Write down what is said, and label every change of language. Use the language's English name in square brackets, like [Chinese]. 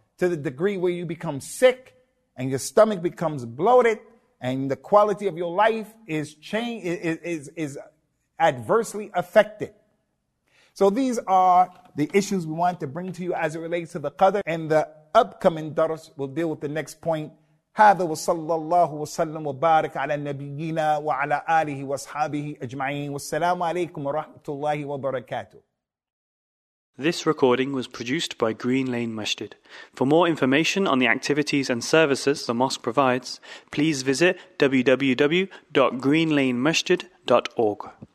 [English] to the degree where you become sick and your stomach becomes bloated and the quality of your life is adversely affected. So these are the issues we want to bring to you as it relates to the Qadr, and the upcoming Dars will deal with the next point. [Arabic] هذا وصلى الله وسلم وبارك على نبينا وعلى آله وصحابه أجمعين والسلام عليكم ورحمة الله وبركاته. [English] This recording was produced by Green Lane Masjid. For more information on the activities and services the mosque provides, please visit www.greenlanemasjid.org.